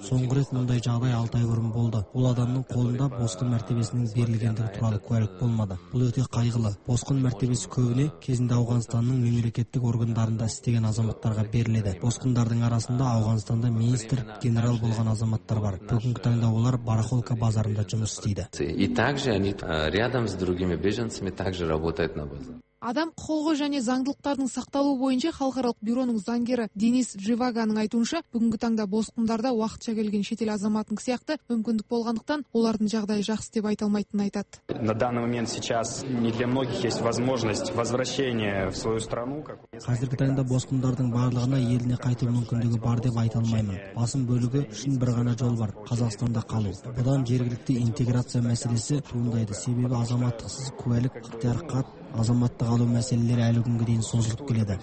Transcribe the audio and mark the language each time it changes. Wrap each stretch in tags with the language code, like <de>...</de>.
<kk>Соңғы рет мұндай жағдай 6 ай бұрын болды. Ол адамның қолында босқын мәртебесінің берілгендігі туралы куәлік болмады. Бұл өте қайғылы. Босқын мәртебесі көбіне кезінде Ауғанстанның мемлекеттік органдарында істеген азаматтарға беріледі. Босқындардың арасында Ауғанстанда министр, генерал болған азаматтар бар. Бүгінгі таңда олар барахолка базарында жұмыс істейді.</kk> <ru>И также они рядом с другими беженцами также работают на базаре.</ru> <kk>Адам құқығы және заңдылықтардың сақталуы бойынша халықаралық бюроның заңгері Денис Живаганың айтуынша, бүгінгі таңда босқындарда уақытша келген шетел азаматын сияқты мүмкіндік болғандықтан олардың жағдайы жақсы деп айта алмайтынын айтады.</kk> <ru>На данный момент сейчас не для многих есть возможность возвращения в свою страну.</ru> <kk>Қазіргі таңда босқындардың барлығына еліне қайту мүмкіндігі бар деп айта алмаймын. Басым бөлігі үшін бір ғана жол бар – Қазақстанда қалу. Бұдан жергілікті интеграция мәселесі туындайды. Себебі азаматтықсыз куәлік, ықтияр хат, азаматтық алу мәселелері әлі күнге дейін созылып келеді.</kk>